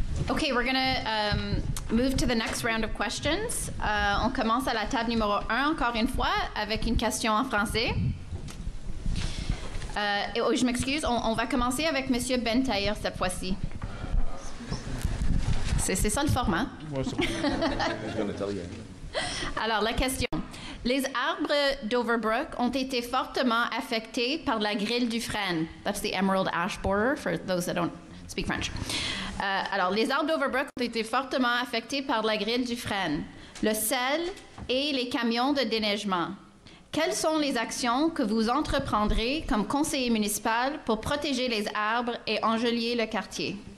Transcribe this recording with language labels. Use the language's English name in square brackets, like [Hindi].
[English] Okay, we're going to move to the next round of questions. [French] On commence à la table numéro 1, encore une fois, avec une question en français. Je m'excuse, on va commencer avec M. Ben Taïr cette fois-ci. C'est ça le format. Alors, la question. Les arbres d'Overbrook ont été fortement affectés par la grille du frêne. [English] That's the emerald ash borer, for those that don't speak French. [French] Alors, les arbres d'Overbrook ont été fortement affectés par la grille du frêne, le sel et les camions de déneigement. Quelles sont les actions que vous entreprendrez comme conseiller municipal pour protéger les arbres et enjoliver le quartier?